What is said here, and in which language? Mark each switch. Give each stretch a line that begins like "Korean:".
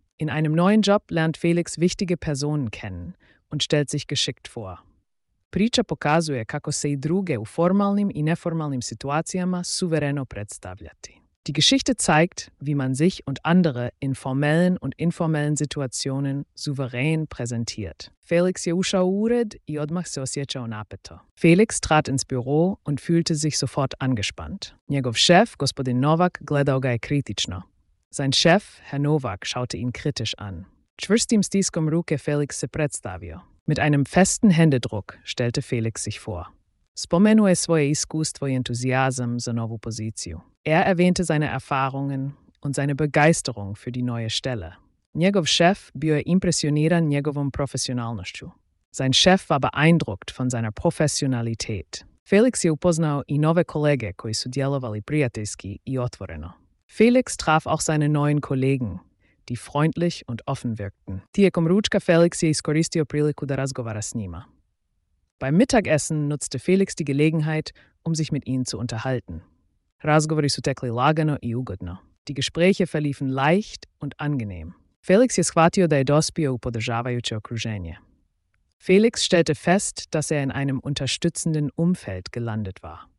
German: In einem neuen Job lernt Felix wichtige Personen kennen und stellt sich geschickt vor.
Croatian: Priča pokazuje kako se i druge u formalnim i neformalnim situacijama suvereno predstavljati.
German: Die Geschichte zeigt, wie man sich und andere in formellen und informellen Situationen souverän präsentiert.
Croatian: Felix je ušao u ured i odmah se osjećao napeto.
German: Felix trat ins Büro und fühlte sich sofort angespannt.
Croatian: Njegov Chef, gospodin Novak, gledao ga je kritično.
German: Sein Chef, Herr Novak, schaute ihn kritisch an.
Croatian: Čvrstim stiskom ruke Felix se predstavio.
German: Mit einem festen Händedruck stellte Felix sich vor.
Croatian: Spomenuje svoje iskustvo i entuzijazam za novu poziciju.
German: Er erwähnte seine Erfahrungen und seine Begeisterung für die neue Stelle.
Croatian: Njegov Chef bio je impresioniran njegovom profesionalnošću.
German: Sein Chef war beeindruckt von seiner Professionalität.
Croatian: Felix je upoznao i nove kolege koji su djelovali prijateljski i otvoreno.
German: Felix traf auch seine neuen Kollegen, die freundlich und offen wirkten.
Croatian: Tijekom ručka Felix je iskoristio priliku da razgovara s njima.
German: Beim Mittagessen nutzte Felix die Gelegenheit, um sich mit ihnen zu unterhalten.
Croatian: Razgovori su tekli lagano i ugodno.
German: Die Gespräche verliefen leicht und angenehm.
Croatian: Felix je shvatio da je dospio u podržavajuće okruženje.
German: Felix stellte fest, dass er in einem unterstützenden Umfeld gelandet war.